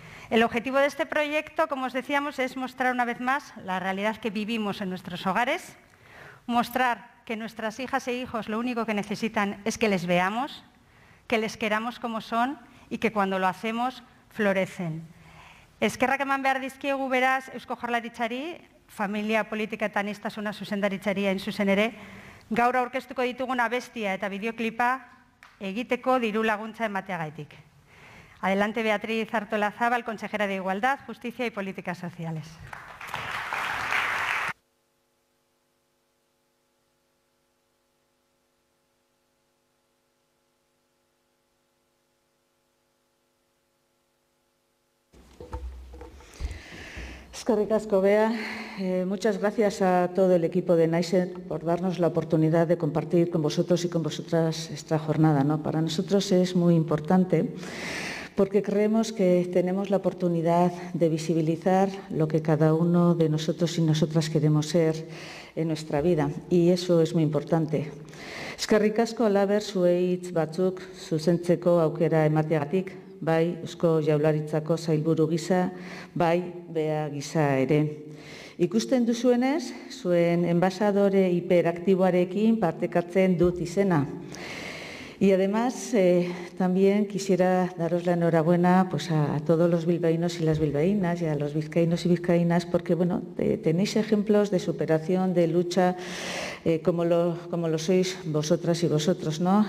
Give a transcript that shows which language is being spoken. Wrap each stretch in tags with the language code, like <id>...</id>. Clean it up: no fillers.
<es>El objetivo de este proyecto, como os decíamos, es mostrar una vez más la realidad que vivimos en nuestros hogares, mostrar que nuestras hijas e hijos lo único que necesitan es que les veamos, que les queramos como son y que cuando lo hacemos, florecen.</es> <eu>Eskerrak eman behar dizkiegu beraz Eusko Jaurlaritzari, familia politika eta aniztasuna zuzendaritzari hain zuzen ere, gaur aurkeztuko dituguna bestia eta bideoklipa egiteko diru laguntza emateagaitik.</eu> <es>Adelante Beatriz Artolazabal, consejera de Igualdad, Justicia y Políticas Sociales.</es> <eu>Eskerrik asko, Bea.</eu> <es>Muchas gracias a todo el equipo de Naizen por darnos la oportunidad de compartir con vosotros y con vosotras esta jornada, ¿no? Para nosotros es muy importante porque creemos que tenemos la oportunidad de visibilizar lo que cada uno de nosotros y nosotras queremos ser en nuestra vida. Y eso es muy importante.</es> <eu>Eskerrik asko alaber zuei hitz batzuk zuzentzeko aukera emateagatik, bai Eusko Jaurlaritzako sailburu gisa, bai Bea gisa ere. Ikusten duzuenez, zuen enbasadore hiperaktiboarekin partekatzen dut izena.</eu> <es>Y además, también quisiera daros la enhorabuena pues, a todos los bilbaínos y las bilbaínas y a los vizcaínos y vizcaínas, porque bueno, tenéis ejemplos de superación, de lucha, como lo sois vosotras y vosotros, ¿no?</es>